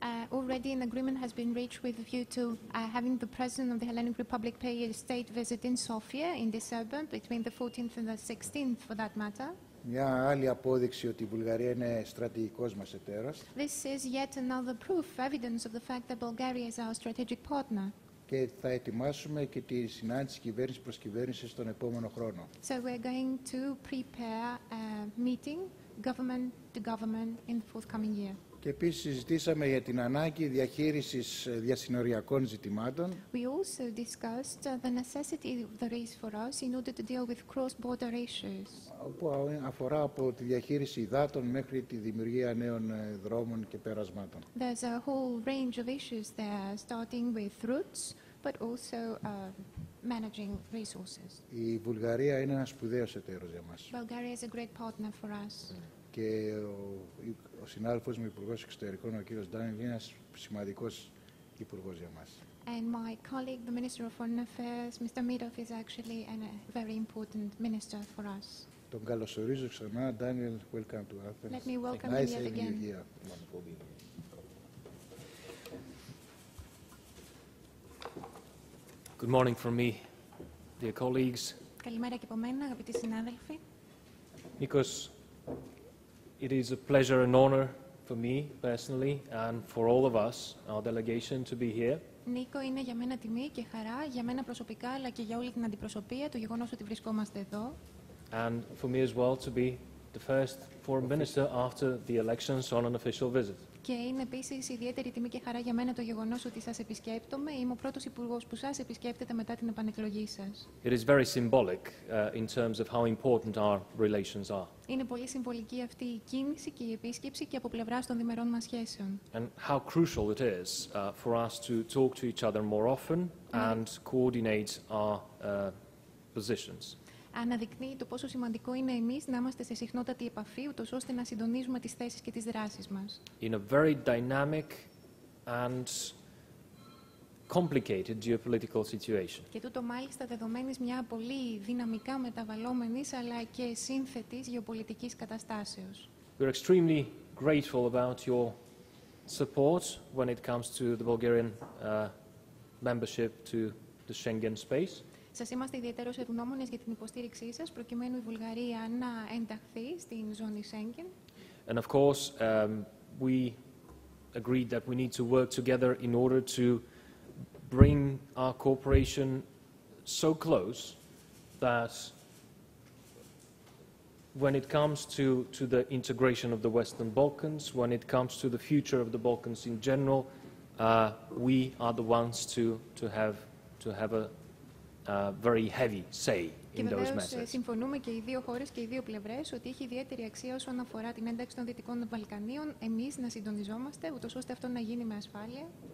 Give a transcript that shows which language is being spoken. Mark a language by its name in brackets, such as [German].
[English] Already an agreement has been reached with a view to having the President of the Hellenic Republic pay a state visit in Sofia in December, between the 14th and the 16th for that matter. [Greek] Μια άλλη απόδειξη ότι η Βουλγαρία είναι στρατηγικός μας εταίρος. [English] This is yet another proof, evidence of the fact that Bulgaria is our strategic partner. [Greek] Και θα ετοιμάσουμε και τη συνάντηση κυβέρνηση προς κυβέρνηση στον επόμενο χρόνο. [English] So we're going to prepare a meeting government to government in the forthcoming year. [Greek] Και επίσης συζητήσαμε για την ανάγκη διαχείρισης διασυνοριακών ζητημάτων. [English] We also discussed the necessity there is for us in order to deal with cross-border issues. [Greek] Που αφορά από τη διαχείριση υδάτων μέχρι τη δημιουργία νέων δρόμων και περασμάτων. [English] There's a whole range of issues there, starting with routes, but also managing resources. [Greek] Η Βουλγαρία είναι ένας σπουδαίος εταίρος για μας. [English] Bulgaria is a great partner for us. [Greek] Και ο συνάδελφος μου, Υπουργός Εξωτερικών, ο κύριος Ντάνιλ, είναι ένας σημαντικός υπουργός για μας. [English] And my colleague, the Minister of Foreign Affairs, Mr. Mitov, is actually a very important minister for us. [Greek] Τον καλωσορίζω ξανά. Ντάνιλ, [English] welcome to Athens. Let me welcome you nice again. Here. Good morning from me, dear colleagues. [Greek] Καλημέρα και από μένα, αγαπητοί συνάδελφοι. [English] Νίκος, it is a pleasure and honor for me personally and for all of us, our delegation, to be here. [Greek] Νίκο, είναι για μένα τιμή και χαρά, για μένα προσωπικά, αλλά και για όλη την αντιπροσωπεία, το γεγονός ότι βρισκόμαστε εδώ. [English] And for me as well to be the first foreign minister after the elections on an official visit. [Greek] Και είναι επίσης ιδιαίτερη τιμή και χαρά για μένα το γεγονός ότι σας επισκέπτομαι. Είμαι ο πρώτος υπουργός που σας επισκέπτεται μετά την επανεκλογή σας. [English] It is very symbolic in terms of how important our relations are. [Greek] Είναι πολύ συμβολική αυτή η κίνηση και η επίσκεψη και από πλευράς των διμερών μας σχέσεων. [English] And how crucial it is for us to talk to each other more often and coordinate our positions. [Greek] Αναδεικνύει το πόσο σημαντικό είναι εμείς να είμαστε σε συχνότατη επαφή, ούτως ώστε να συντονίζουμε τις θέσεις και τις δράσεις μας. [English] In a very dynamic and complicated geopolitical situation. [Greek] Και τούτο μάλιστα δεδομένης μια πολύ δυναμικά μεταβαλλόμενης αλλά και σύνθετης γεωπολιτικής καταστάσεως. [English] We're extremely grateful about your support when it comes to the Bulgarian membership to the Schengen space. [Greek] Σας είμαστε ιδιαίτερως ευγνώμονες για την υποστήριξή σας προκειμένου η Βουλγαρία να ενταχθεί στην ζώνη Σέγγεν. [English] And of course, we agreed that we need to work together in order to bring our cooperation so close that when it comes to the integration of the Western Balkans, when it comes to the future of the Balkans in general, we are the ones to have a very heavy say in those matters. [Greek] Και βεβαίως συμφωνούμε και οι δύο χώρες και οι δύο πλευρές ότι έχει ιδιαίτερη αξία όσον αφορά την ένταξη των Δυτικών Βαλκανίων εμείς να συντονιζόμαστε ούτως ώστε αυτό να γίνει με ασφάλεια.